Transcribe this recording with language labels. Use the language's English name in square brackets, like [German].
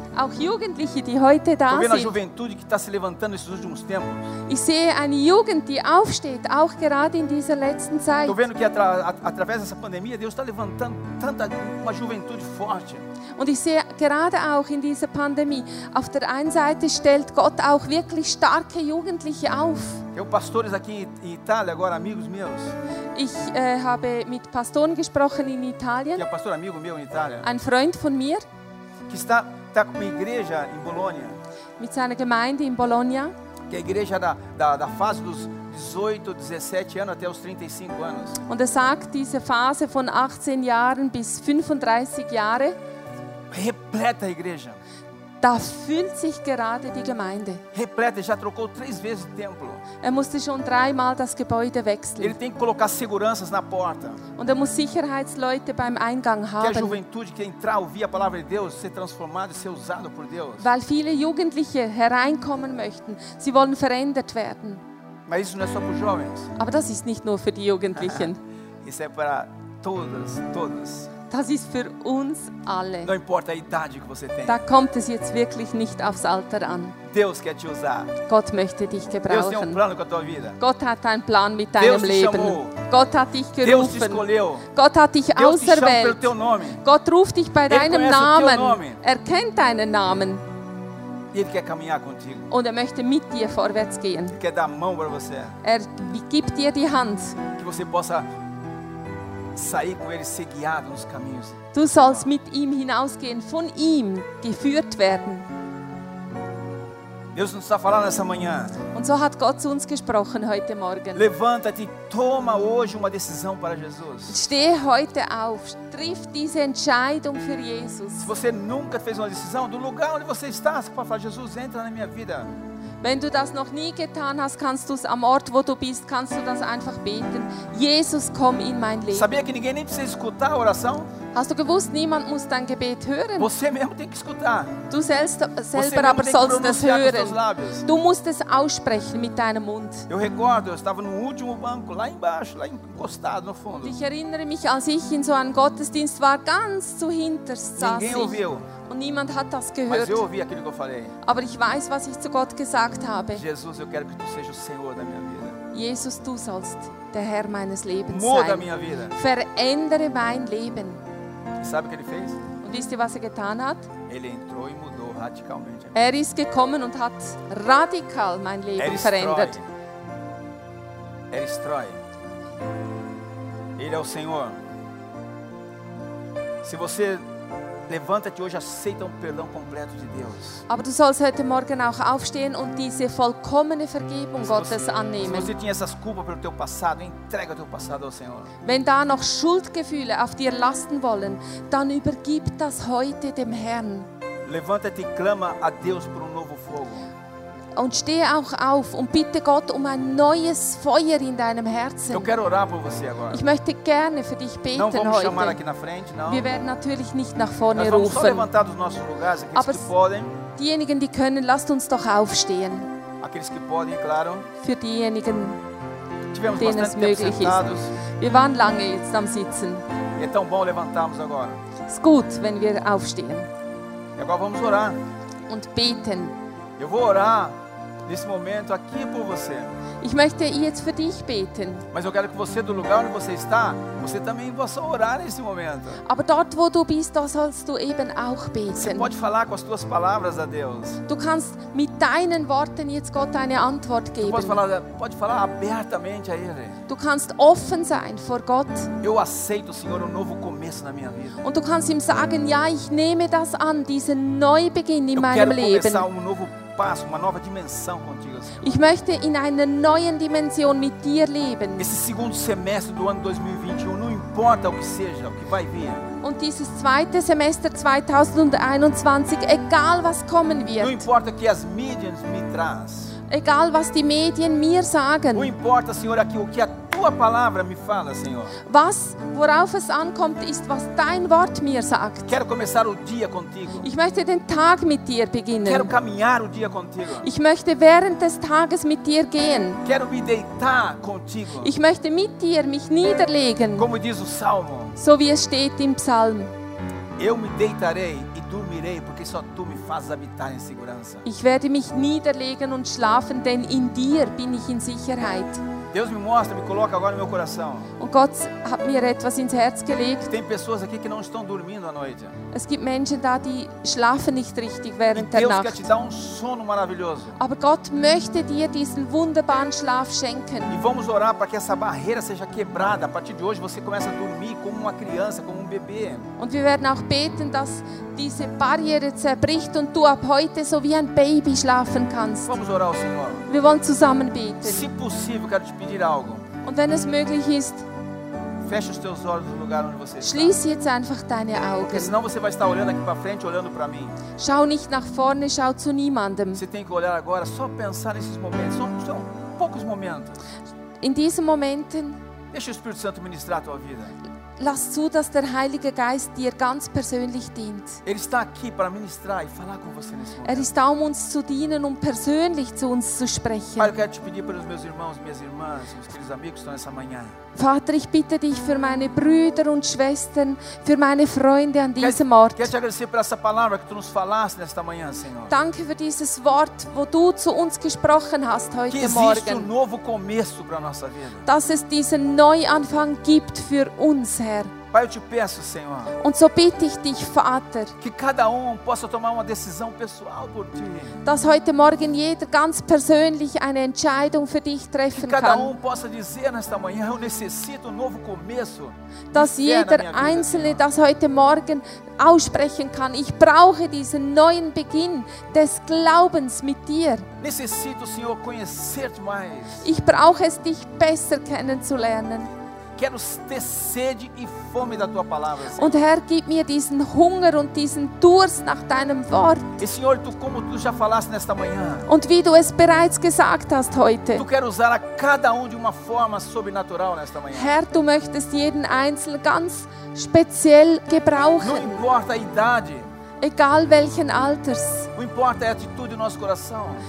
[German] Auch Jugendliche, die heute da sind. [Portuguese] Estou vendo a juventude que está se levantando nesses últimos tempos. [German] Ich sehe eine Jugend, die aufsteht, auch gerade in dieser letzten Zeit. [Portuguese] Estou vendo que através dessa pandemia Deus está levantando tanta uma juventude forte. [German] Und ich sehe gerade auch in dieser Pandemie, auf der einen Seite stellt Gott auch wirklich starke Jugendliche auf. [Portuguese] Tenho pastores aqui em Itália agora, amigos meus. [German] Ich habe mit Pastoren gesprochen in Italien. [Portuguese] Que é pastor amigo meu em Itália. [German] Ein Freund von mir. [Portuguese] Que está com uma igreja em Bolonha. [German] Mit seiner Gemeinde in Bologna. [Portuguese] Que é a igreja da fase dos 18, 17 anos até os 35 anos. [German] Und sagt diese Phase von 18 Jahren bis 35 Jahre. [Portuguese] Repleta a igreja. [German] Da füllt sich gerade die Gemeinde. [Portuguese] Repleta, já trocou três vezes o templo. [German] Er musste schon dreimal das Gebäude wechseln. [Portuguese] Ele tem que colocar seguranças na porta. [German] Und er muss Sicherheitsleute beim Eingang haben. [Portuguese] Que a juventude que entrar, ouvir a palavra de Deus, ser transformado e ser usado por Deus. [German] Weil viele Jugendliche hereinkommen möchten. Sie wollen verändert werden. [Portuguese] Mas isso não é só para os jovens. [German] Aber das ist nicht nur für die Jugendlichen. [Portuguese] Isso é para todos. [German] Das ist für uns alle. [Portuguese] Não importa a idade que você tem. [German] Da kommt es jetzt wirklich nicht aufs Alter an. [Portuguese] Deus quer te usar. [German] Gott möchte dich gebrauchen. [Portuguese] Deus tem plano com a tua vida. [German] Gott hat einen Plan mit deinem Leben. Gott hat dich gerufen. [Portuguese] Deus te escolheu. [German] Gott hat dich auserwählt. [Portuguese] Deus te chama pelo teu nome. [German] Gott ruft dich bei [Portuguese] ele [German] deinem Namen. [Portuguese] Teu nome. [German] Er kennt deinen Namen. [Portuguese] Ele quer caminhar contigo. [German] Und er möchte mit dir vorwärts gehen. [Portuguese] Ele quer dar a mão para você. [German] Er gibt dir die Hand. [Portuguese] Que você possa sair com ele, ser guiado nos caminhos. [German] Du sollst mit ihm hinausgehen, von ihm geführt werden. [Portuguese] Deus nos está falando essa manhã. [German] Und so hat Gott zu uns gesprochen heute Morgen. [Portuguese] Levanta-te, toma hoje uma decisão para Jesus. [German] Steh heute auf, triff diese Entscheidung für Jesus. [Portuguese] Se você nunca fez uma decisão, do lugar onde você está, você pode falar: Jesus, entra na minha vida. [German] Wenn du das noch nie getan hast, kannst du es am Ort, wo du bist, kannst du das einfach beten. Jesus, komm in mein Leben. [Portuguese] Sabia que ninguém nem precisa escutar a oração? [German] Hast du gewusst, niemand muss dein Gebet hören? [Portuguese] Você mesmo tem que escutar. [German] Du selber aber sollst es hören. Du musst es aussprechen mit deinem Mund. [Portuguese] Eu recordo, eu estava no último banco, lá embaixo, lá encostado no fundo. [German] Und ich erinnere mich, als ich in so einem Gottesdienst war, ganz zu hinterst saß. [Portuguese] Ninguém ouviu. [German] Und niemand hat das gehört. [Portuguese] Mas eu ouvi aquilo que eu falei. [German] Aber ich weiß, was ich zu Gott gesagt habe. [Portuguese] Jesus, eu quero que tu sejas o Senhor da minha vida. [German] Jesus, du sollst der Herr meines Lebens [Portuguese] Muda [German] sein. [Portuguese] Muda minha vida. [German] Verändere mein Leben. [Portuguese] E sabe o que ele fez? [German] Und wisst ihr, was er getan hat? [Portuguese] Ele entrou e mudou radicalmente. [German] Er ist gekommen und hat radikal mein Leben verändert. Er ist treu. [Portuguese] Ele é o Senhor. Se você levanta-te hoje, aceita perdão completo de Deus. [German] Aber du sollst heute Morgen auch aufstehen und diese vollkommene Vergebung Gottes annehmen. [Portuguese] Se você tinha essas culpas pelo teu passado, entrega teu passado ao Senhor. [German] Wenn da noch Schuldgefühle auf dir lasten wollen, dann übergib das heute dem Herrn. [Portuguese] Levanta-te e clama a Deus por novo fogo. [German] Und steh auch auf und bitte Gott um ein neues Feuer in deinem Herzen. [Portuguese] Eu quero orar por você agora. [German] Ich möchte gerne für dich beten [Portuguese] não vamos [German] heute. [Portuguese] Chamar aqui na frente, não. [German] Wir werden natürlich nicht nach vorne [Portuguese] Nós [German] rufen. [Portuguese] Vamos só levantar dos nossos lugares, aqueles [German] Aber [Portuguese] que podem. [German] Diejenigen, die können, lasst uns doch aufstehen. [Portuguese] Aqueles que podem, claro. [German] Für diejenigen, [Portuguese] Tivemos [German] denen es möglich [Portuguese] sentados. [German] Ist. Wir waren lange jetzt am Sitzen. [Portuguese] É tão bom levantarmos agora. [German] Es ist gut, wenn wir aufstehen. [Portuguese] E agora vamos orar. [German] Und beten. [Portuguese] Eu vou orar nesse momento aqui por você. [German] Ich möchte jetzt für dich beten. [Portuguese] Mas eu quero que você, do lugar onde você está, você também possa orar nesse momento. [German] Aber dort, wo du bist, da sollst du eben auch beten. [Portuguese] Você pode falar com as tuas palavras a Deus. [German] Du kannst mit deinen Worten jetzt Gott eine Antwort geben. [Portuguese] Du pode falar abertamente a Ele. [German] Du kannst offen sein vor Gott. [Portuguese] Eu aceito, Senhor, novo começo na minha vida. [German] Und du kannst ihm sagen, ja, ich nehme das an, diesen Neubeginn in [Portuguese] eu [German] meinem [Portuguese] quero [German] Leben. [Portuguese] Começar novo Spaß, uma nova dimensão contigo, Senhor. [German] Ich möchte in einer neuen Dimension mit dir leben. [Portuguese] Esse segundo semestre do ano 2021, não importa o que seja, o que vai vir. [German] Und dieses zweite Semester 2021, egal was kommen wird. [Portuguese] Não importa o que as mídias me traz. [German] Egal was die Medien mir sagen. [Portuguese] Não importa, Senhor, o que a tua palavra me fala, Senhor. [German] Was, worauf es ankommt, ist was dein Wort mir sagt. [Portuguese] Quero começar o dia contigo. [German] Ich möchte den Tag mit dir beginnen. [Portuguese] Quero caminhar o dia contigo. [German] Ich möchte während des Tages mit dir gehen. [Portuguese] Quero me deitar contigo. [German] Ich möchte mit dir mich niederlegen. [Portuguese] Como diz o Salmo. [German] So wie es steht im Psalm. [Portuguese] Eu me deitarei e dormirei, porque só tu me fazes habitar em segurança. [German] Ich werde mich niederlegen und schlafen, denn in dir bin ich in Sicherheit. [Portuguese] Deus me mostra, me coloca agora no meu coração. [German] Und Gott hat mir etwas ins Herz gelegt. [Portuguese] Tem pessoas aqui que não estão dormindo à noite. [German] Es gibt Menschen da, die schlafen nicht richtig während der Nacht. [Portuguese] Deus quer te dar um sono maravilhoso. [German] Aber Gott möchte dir diesen wunderbaren Schlaf schenken. [Portuguese] E vamos orar para que essa barreira seja quebrada. A partir de hoje você começa a dormir como uma criança, como um bebê. [German] Und wir werden auch beten, dass diese Barriere zerbricht und du ab heute so wie ein Baby schlafen kannst. [Portuguese] Vamos orar ao Senhor. [German] Wir wollen zusammen beten. [Portuguese] Se possível, quero te pedir algo. [German] Und wenn es möglich ist, [Portuguese] feche os teus olhos no lugar onde você está. [German] Schließe jetzt einfach deine Augen. [Portuguese] Porque senão você vai estar olhando aqui para frente, olhando para mim. Schau nicht nach vorne, schau zu niemandem. Você tem que olhar agora, só pensar nesses momentos. São poucos momentos. [German] In diesen Momenten. [Portuguese] Deixa o Espírito Santo ministrar a tua vida. [German] Lass zu, dass der Heilige Geist dir ganz persönlich dient. [Portuguese] Ele está aqui para ministrar e falar com você nesse momento. [German] Er ist da, um uns zu dienen, um persönlich zu uns zu sprechen. [Portuguese] Pai, eu quero te pedir pelos meus irmãos, minhas irmãs, meus queridos amigos que estão nessa manhã. [German] Vater, ich bitte dich für meine Brüder und Schwestern, für meine Freunde an diesem Ort. [Portuguese] Quero te agradecer por essa palavra que tu nos falaste nesta manhã, Senhor. [German] Danke für dieses Wort, wo du zu uns gesprochen hast heute [Portuguese] que [German] Morgen. [Portuguese] Um novo começo para nossa vida. [German] Dass es diesen Neuanfang gibt für uns, Herr. [Portuguese] Pai, eu te peço, Senhor. [German] Und so bitte ich dich, Vater. [Portuguese] Que cada possa tomar uma decisão pessoal por ti. [German] Dass heute Morgen jeder ganz persönlich eine Entscheidung für dich treffen [Portuguese] que cada [German] kann. [Portuguese] Possa dizer nesta manhã, eu necessito novo começo. [German] Dass jeder [Portuguese] vida, [German] Einzelne [Portuguese] Senhor. [German] Das heute Morgen aussprechen kann. Ich brauche diesen neuen Beginn des Glaubens mit dir. [Portuguese] Necessito, Senhor, conhecer-te mais. [German] Ich brauche es, dich besser kennenzulernen. [Portuguese] Quero ter sede e fome da tua palavra, Senhor. [German] Und Herr, gib mir diesen Hunger und diesen Durst nach deinem Wort. [Portuguese] E Senhor, tu como tu já falaste nesta manhã. [German] Und wie du es bereits gesagt hast heute. [Portuguese] Tu queres usar a cada de uma forma sobrenatural nesta manhã. [German] Herr, du möchtest jeden Einzelnen ganz speziell gebrauchen. [Portuguese] Não importa a idade. [German] Egal welchen Alters. [Portuguese] Não importa a atitude do nosso coração.